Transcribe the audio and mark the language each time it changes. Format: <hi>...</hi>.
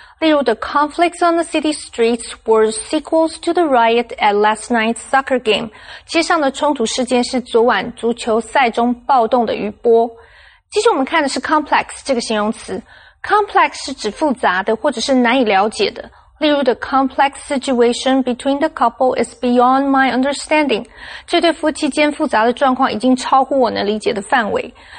<zh>例如</zh> <en>The conflicts on the city streets were sequels to the riot at last night's soccer game.</en> <zh>街上的冲突事件是昨晚足球赛中暴动的余波。接着我们看的是 complex 这个形容词。complex 是指复杂的或者是难以了解的。例如</zh> <en>The complex situation between the couple is beyond my understanding.</en> <zh>这对夫妻间复杂的状况已经超乎我能理解的范围。</zh>